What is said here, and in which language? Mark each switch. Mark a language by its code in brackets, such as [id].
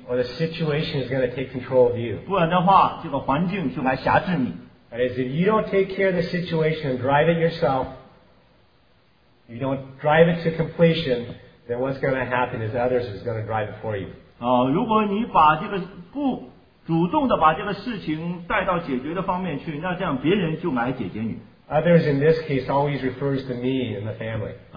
[en] or the situation is going to take control of you. [zh] 不然的话这个环境就来辖制你 [en] That is, if you don't take care of the situation and drive it yourself, you don't drive it to completion, then what's going to happen is others is going to drive it for you. [zh] 如果你把这个不主动的把这个事情带到解决的方面去那这样别人就来解决你 [en] Others in this case always refers to me and the family.